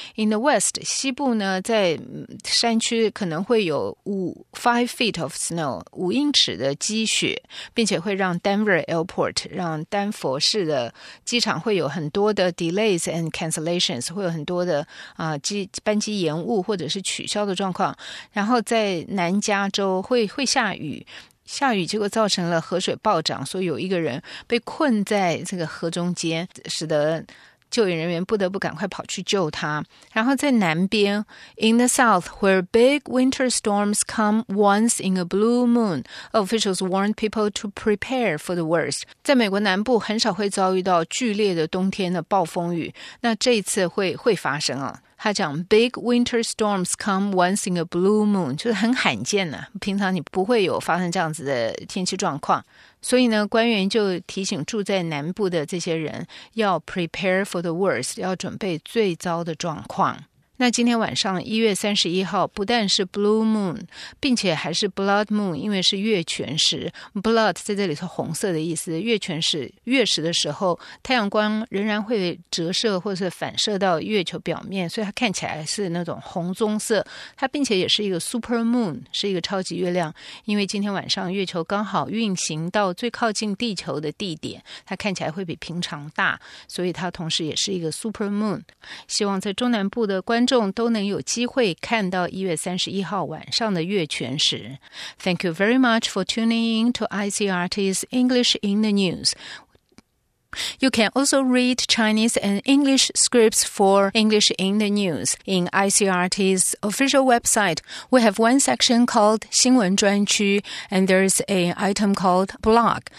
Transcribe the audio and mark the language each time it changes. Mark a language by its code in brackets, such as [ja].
[en] In the west, [zh] 西部呢在山区可能会有 [en] 5 feet of snow, [zh] 5英尺的积雪，并且会让 Denver Airport, 让丹佛市的机场会有很多的 [en] delays and cancellations, [zh] 会有很多的班机延误或者是取消的状况。然后在南加州会下雨，下雨结果造成了河水暴涨，所以有一个人被困在这个河中间，使得救援人员不得不赶快跑去救他。然后在南边 [en] ,In the south, where big winter storms come once in a blue moon, officials warn people to prepare for the worst. [zh] 在美国南部很少会遭遇到剧烈的冬天的暴风雨，那这一次会发生啊。他讲 , [en] big winter storms come once in a blue moon, [zh] 就是很罕见的、啊、平常你不会有发生这样子的天气状况。所以呢，官员就提醒住在南部的这些人要 [en] prepare for the worst, [zh] 要准备最糟的状况。那今天晚上1月31号不但是 blue moon, 并且还是 blood moon, 因为是月全食。 blood 在这里是红色的意思，月全食，月食的时候太阳光仍然会折射或是反射到月球表面，所以它看起来是那种红棕色。它并且也是一个 super moon, 是一个超级月亮，因为今天晚上月球刚好运行到最靠近地球的地点，它看起来会比平常大，所以它同时也是一个 super moon。希望在中南部的观众都能有机会看到1月31号晚上的月全食。 [en] Thank you very much for tuning in to ICRT's English in the News. You can also read Chinese and English scripts for English in the News in ICRT's official website. We have one section called [zh] 新闻专区 [en] and there is an item called blog.